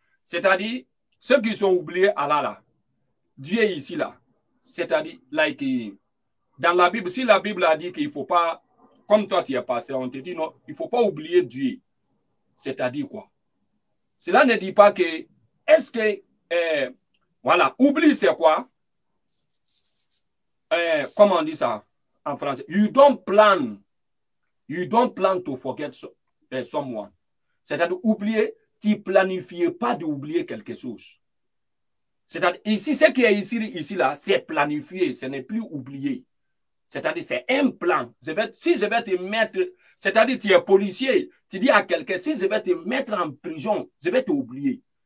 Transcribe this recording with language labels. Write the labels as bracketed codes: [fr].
[fr] C'est-à-dire, ceux qui sont oubliés Allah là, Dieu ici là, c'est-à-dire, like, dans la Bible, si la Bible a dit qu'il ne faut pas, comme toi tu es pasteur, on te dit non, il ne faut pas oublier Dieu, c'est-à-dire quoi? Cela ne dit pas que, est-ce que voilà, oublie c'est quoi? Comment on dit ça en français? [en] You don't plan to forget someone. [fr] C'est-à-dire oublier, tu planifiais pas d'oublier quelque chose. C'est-à-dire ici, ce qui est ici là, c'est planifié, ce n'est plus oublié. C'est-à-dire c'est un plan. Si je vais te mettre, c'est-à-dire tu es policier, tu dis à quelqu'un, si je vais te mettre en prison, je vais t'oublier.